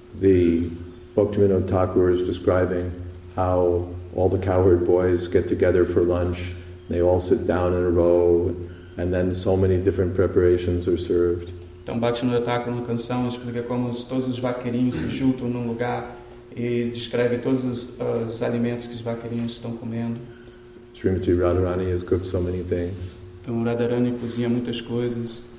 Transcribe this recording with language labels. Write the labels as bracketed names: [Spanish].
[English] The Bhaktivinoda Thakur is describing how all the cowherd boys get together for lunch, they all sit down in a row, and then so many different preparations are served. [Portuguese] Então, Bhaktivinoda Thakur, numa canção, explica como todos os vaqueirinhos se juntam num lugar e descreve todos os alimentos que os vaqueirinhos estão comendo. [English] Srimati Radharani has cooked so many things. [Portuguese] Então, Radharani cozinha muitas coisas.